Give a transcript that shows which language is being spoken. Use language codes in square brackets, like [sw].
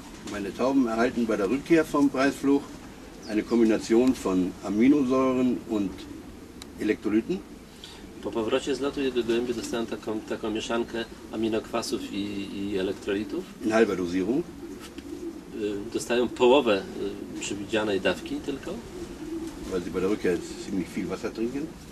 [de] Meine Tauben erhalten bei der Rückkehr vom Preisflug eine Kombination von Aminosäuren und Elektrolyten. [pl] Po powrocie z lotu jego gołębie dostałem taką mieszankę aminokwasów i elektrolitów. [de] In halber Dosierung. [pl] Dostają połowę przewidzianej dawki tylko. [de] Weil sie bei der Rückkehr ziemlich viel Wasser trinken.